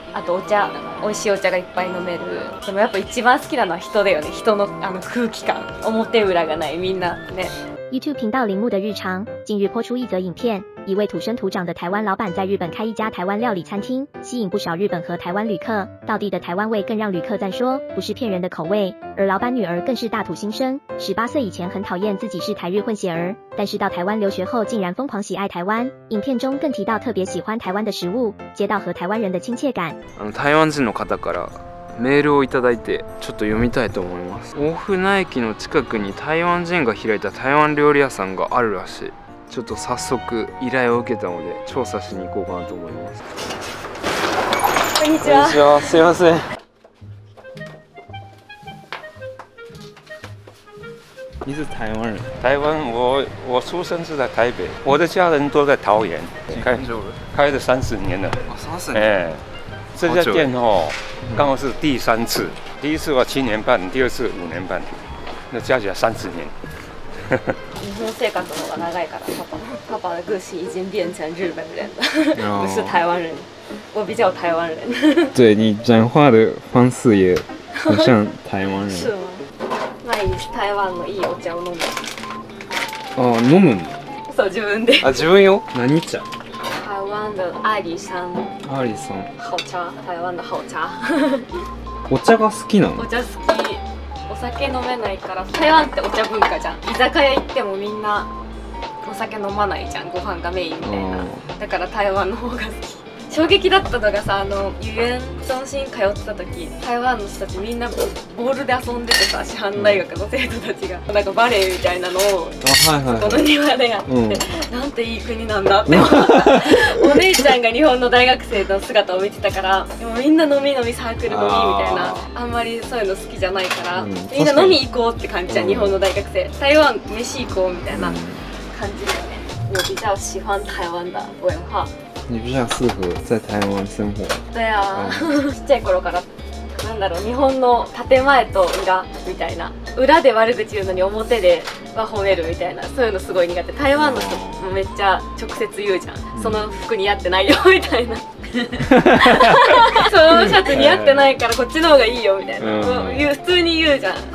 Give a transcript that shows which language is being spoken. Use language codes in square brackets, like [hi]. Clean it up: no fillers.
[ja] あとお茶、美味しいお茶がいっぱい飲める。でもやっぱ一番好きなのは人だよね。人のあの空気感、表裏がない、みんなね。 [zh] YouTube 頻道林木的日常，近日播出一则影片，一位土生土长的台湾老板在日本开一家台湾料理餐厅，吸引不少日本和台湾旅客。道地的台湾味更让旅客赞说不是骗人的口味，而老板女儿更是大土新生，18岁以前很讨厌自己是台日混血儿，但是到台湾留学后竟然疯狂喜爱台湾。影片中更提到特别喜欢台湾的食物，接到和台湾人的亲切感。 [ja] 台湾人の方からメールをいただいて、ちょっと読みたいと思います。大船駅の近くに台湾人が開いた台湾料理屋さんがあるらしい。ちょっと早速依頼を受けたので調査しに行こうかなと思います。こんにちは。こんにちは、すいません。 [zh] 你是台湾人？台湾，我出生是在台北，我的家人都在桃园，开了30年了。 [ja] 30年、 [zh] 这家店哦，刚好是第三次，第一次我7年半，第二次5年半，那加起来30年。 [ja] 日本生活の方が長いから、パパの [zh] 个性已经变成日本人了，不是台湾人，我比较台湾人。对，你讲话的方式也很像台湾人。是吗？ [ja] 毎日台湾のいいお茶を飲む。 [zh] 哦， [ja] 飲む。そう、自分で。あ、自分よ。何茶？ [zh] 台湾的阿里山，好茶，台湾的好茶。 [ja] お茶が好きなの？お茶好き。お酒飲めないから、台湾ってお茶文化じゃん。居酒屋行ってもみんなお酒飲まないじゃん。ご飯がメインみたいな。だから台湾の方が好き。衝撃だったのがさ、あの遊園地に通ってた時、台湾の人たちみんなボールで遊んでてさ、師範大学の生徒たちがなんかバレエみたいなのを、はいはい、この庭でやって、なんていい国なんだって思った。お姉ちゃんが日本の大学生の姿を見てたから、でもみんな飲み飲み、サークル飲みみたいな、あんまりそういうの好きじゃないから、みんな飲み行こうって感じじゃん、日本の大学生。台湾飯行こうみたいな感じだよね。 [zh] 我比较喜欢台湾的文化。你比较适合在台湾生活。对啊， [ja] ちっちゃい頃から、なんだろう、日本の建前と裏みたいな、裏で悪口言うのに表では褒めるみたいな、そういうのすごい苦手。台湾の人もめっちゃ直接言うじゃん。その服似合ってないよみたいな。そのシャツ似合ってないからこっちの方がいいよみたいな。普通に言うじゃん。